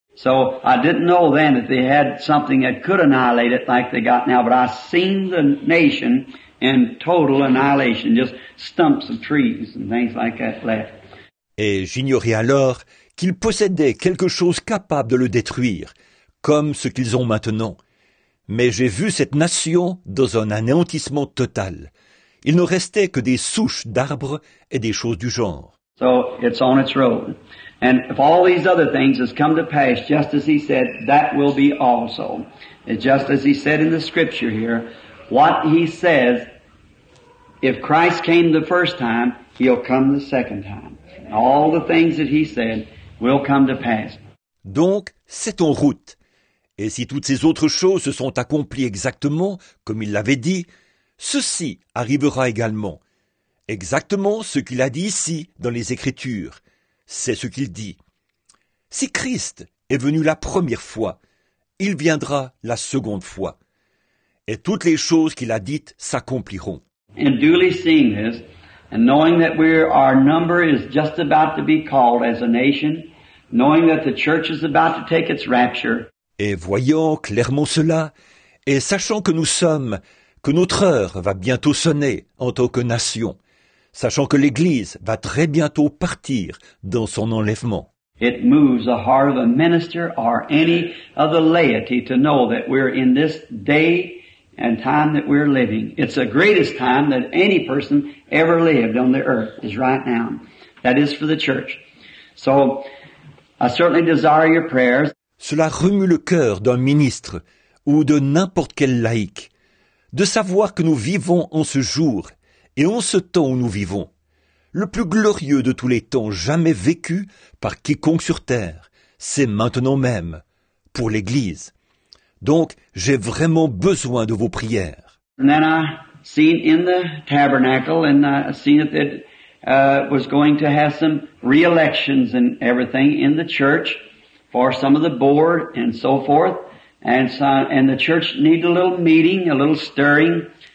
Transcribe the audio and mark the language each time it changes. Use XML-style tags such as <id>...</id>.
<en>So, I didn't know then that they had something that could annihilate it like they got now, but I seen the nation in total annihilation, just stumps of trees and things like that left.</en> <fr>Et j'ignorais alors qu'il possédait quelque chose capable de le détruire, comme ce qu'ils ont maintenant. Mais j'ai vu cette nation dans un anéantissement total. Il ne restait que des souches d'arbres et des choses du genre.</fr> <en>So it's on its road. And if all these other things has come to pass, just as he said, that will be also. And just as he said in the scripture here, what he says, if Christ came the first time, he'll come the second time. And all the things that he said, will come to pass.</en> <fr>Donc, c'est en route. Et si toutes ces autres choses se sont accomplies exactement comme il l'avait dit, ceci arrivera également. Exactement ce qu'il a dit ici dans les Écritures. C'est ce qu'il dit. Si Christ est venu la première fois, il viendra la seconde fois. Et toutes les choses qu'il a dites s'accompliront.</fr> <en>And duly seeing this, and knowing that our number is just about to be called as a nation, knowing that the church is about to take its rapture.</en> <fr>Et voyant clairement cela, et sachant que nous sommes, que notre heure va bientôt sonner en tant que nation, sachant que l'Église va très bientôt partir dans son enlèvement.</fr> <en>It moves the heart of a minister or any of the laity to know that we're in this day and time that we're living. It's the greatest time that any person ever lived on the earth is right now. That is for the church. So, I certainly desire your prayers.</en> <fr>Cela remue le cœur d'un ministre ou de n'importe quel laïc de savoir que nous vivons en ce jour et en ce temps où nous vivons, le plus glorieux de tous les temps jamais vécu par quiconque sur terre, c'est maintenant même pour l'Église. Donc, j'ai vraiment besoin de vos prières.</fr> <en>And then I seen in the tabernacle, and I seen that it was going to have some re-elections and everything in the church for some of the board and so forth. And so, and the church needed a little meeting, a little stirring.</en>